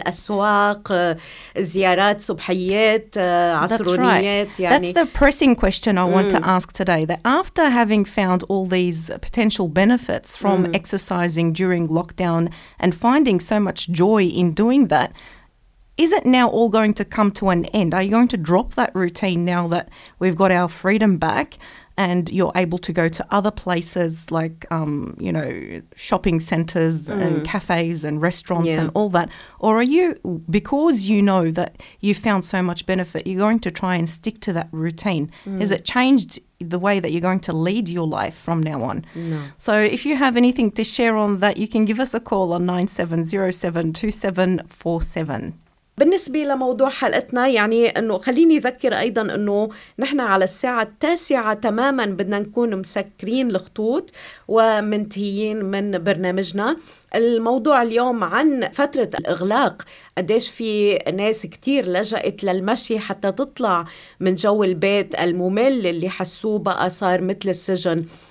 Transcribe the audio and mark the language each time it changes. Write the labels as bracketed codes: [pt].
[ar] الأسواق زيارات صبحيات عصرونيات يعني. [en] That's the pressing question I want to ask today, that after having found all these potential benefits from exercising during lockdown and finding so much joy in doing that, is it now all going to come to an end? Are you going to drop that routine now that we've got our freedom back and you're able to go to other places like, you know, shopping centres and cafes and restaurants and all that? Or are you, because you know that you've found so much benefit, you're going to try and stick to that routine? Has it changed the way that you're going to lead your life from now on? No. So if you have anything to share on that, you can give us a call on 9707-2747. [ar] بالنسبة لموضوع حلقتنا يعني أنه خليني أذكر أيضا أنه نحن على الساعة 9 تماما بدنا نكون مسكرين الخطوط ومنتهيين من برنامجنا. الموضوع اليوم عن فترة الإغلاق, قديش في ناس كتير لجأت للمشي حتى تطلع من جو البيت الممل اللي حسوه بقى صار مثل السجن.